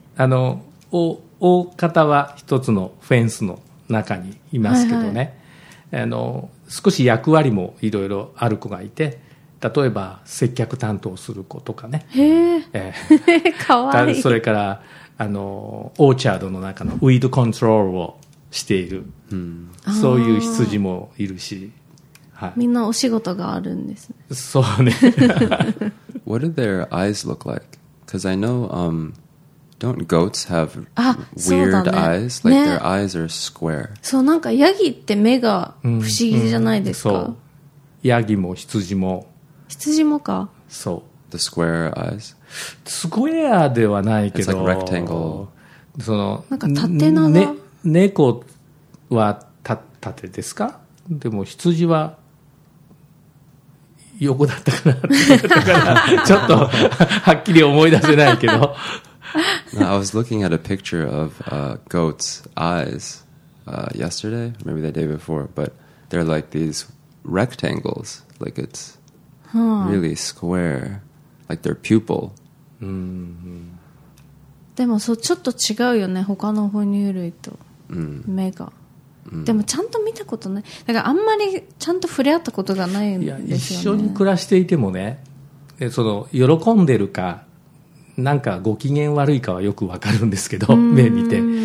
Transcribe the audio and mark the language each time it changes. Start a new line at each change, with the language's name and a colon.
Japanese: あの大方は一つのフェンスの中にいますけどね、はいはい、あの少し役割もいろいろある子がいて、例えば接客担当する子とかね、へ、かわいい。それからあのオーチャードの中のウィードコントロールをしている、うん、そういう羊もいるし、はい、みんなお仕事があるんですね。そうね。
English: What do their eyes look like? Because I know、don't goats have weird、
Japanese: ね、
English: eyes? Like、ね、their eyes are square.
Japanese: そう、なんかヤギって目が不思議じゃないですか。うんうん、そう、ヤギも羊も。羊もか。そう。
English: The square eyes?
Japanese: スクエアではないけど。
English: It's like rectangle.
Japanese: そのなんか縦長、ね、猫は縦ですか？でも羊は横だったかなちょっとはっきり思い出せないけど。
English: No, I was looking at a picture of goats' eyes yesterday, maybe the day before, but they're like these rectangles, like it's really square, like their pupil.
Japanese: でもそうちょっと違うよね、他の哺乳類と目が。でもちゃんと見たことない。だからあんまりちゃんと触れ合ったことがないんですよね。いや、一緒に暮らしていてもね、その喜んでるかなんかご機嫌悪いかはよくわかるんですけど、目見て。